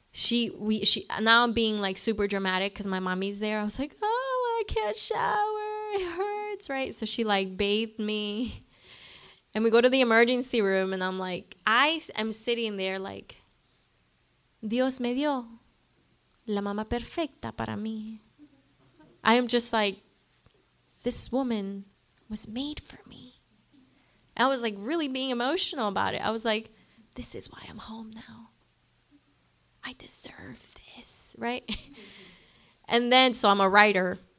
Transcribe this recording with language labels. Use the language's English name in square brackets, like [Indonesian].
[English] Now I'm being like super dramatic because my mommy's there. I was like, oh, I can't shower. It hurts, right? So she like bathed me. And we go to the emergency room. And I'm like, I am sitting there like, [Spanish] Dios me dio. La mama perfecta para mí. [English] I am just like, this woman was made for me. I was like really being emotional about it. I was like, this is why I'm home now. I deserve this, right? And then, so I'm a writer.